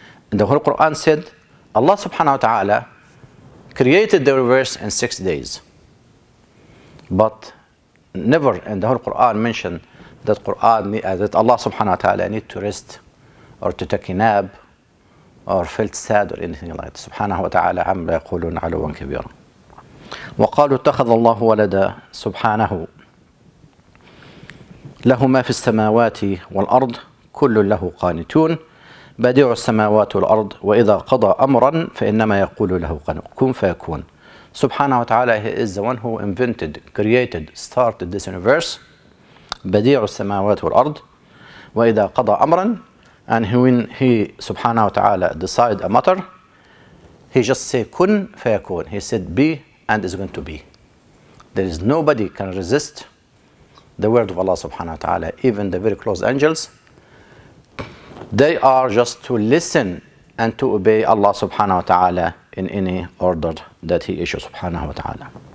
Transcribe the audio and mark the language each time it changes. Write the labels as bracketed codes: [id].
[en] And the whole Quran said, Allah subhanahu wa ta'ala created the universe in 6 days. But never in the whole Quran mentioned that that Allah subhanahu wa ta'ala need to rest or to take a nap or felt sad or anything like that. [ar] Subhanahu wa ta'ala amma yaqulun 'aluwan kabira. وقالوا اتخذ الله ولدا سبحانه له ما في السماوات والأرض كل له قانتون بديع السماوات والأرض وإذا قضى أمرا فإنما يقول له كن فيكون. سبحانه وتعالى [en] he is the one who invented, created, started this universe. [ar] بديع السماوات والأرض وإذا قضى أمرا [en] and when he [ar] سبحانه وتعالى [en] decide a matter he just say [ar] كن فيكون. [en] He said be and is going to be. There is nobody can resist the word of Allah subhanahu wa ta'ala, even the very close angels. They are just to listen and to obey Allah subhanahu wa ta'ala in any order that He issues subhanahu wa ta'ala.